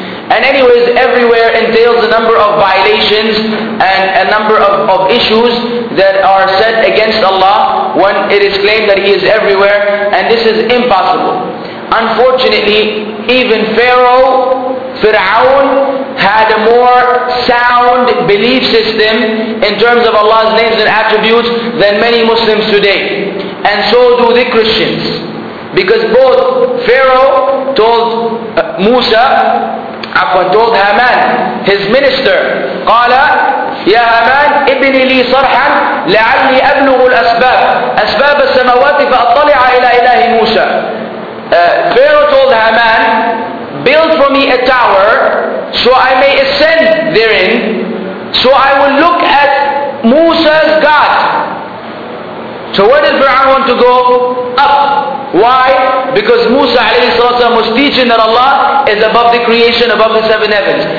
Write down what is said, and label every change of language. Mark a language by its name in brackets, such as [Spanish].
[English] And anyways, everywhere entails a number of violations and a number of issues that are set against Allah when it is claimed that He is everywhere. And this is impossible. Unfortunately, even Pharaoh, Fir'aun, had a more sound belief system in terms of Allah's names and attributes than many Muslims today. And so do the Christians. Because both Pharaoh told Musa, told Haman, his minister, [Arabic] قال يا هامان ابن لي صرحا لعلي أبلغ الأسباب أسباب السماوات فأطلع إلى إله موسى. [English] Pharaoh told Haman, build for me a tower so I may ascend therein, so I will look at Musa's God. So where did Fir'aun want to go? Up. Why? Because Musa alayhi salam was teaching that Allah is above the creation, above the seven heavens.